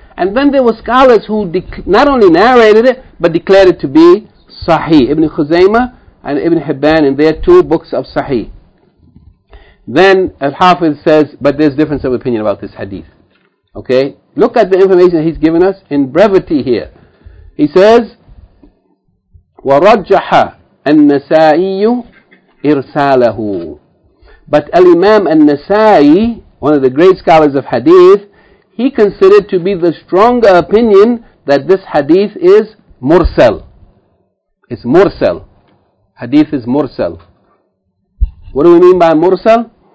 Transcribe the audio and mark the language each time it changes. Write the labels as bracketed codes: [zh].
[en] And then there were scholars who not only narrated it, but declared it to be Sahih. Ibn Khuzaymah and Ibn Hibban in their two books of Sahih. Then Al-Hafiz says, but there's difference of opinion about this hadith. Okay? Look at the information he's given us in brevity here. He says, [ar] وَرَجَّحَ النَّسَائِيُّ إِرْسَالَهُ. [en] But Al-Imam al-Nasa'i, one of the great scholars of hadith, he considered to be the stronger opinion that this hadith is mursal. It's mursal. Hadith is mursal. What do we mean by mursal?